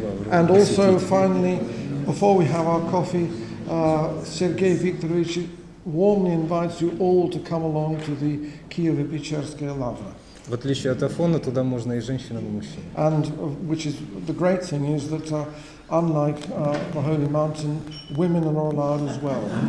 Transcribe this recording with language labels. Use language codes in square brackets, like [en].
[en] And also, finally, before we have our coffee, Sergey Викторович warmly invites you all to come along to the Kiev-Pechersky Lavra. [ru] В отличие от Афона, туда можно и женщинам, и мужчинам. [en] And which is the great thing is that unlike the Holy Mountain, women are allowed as well.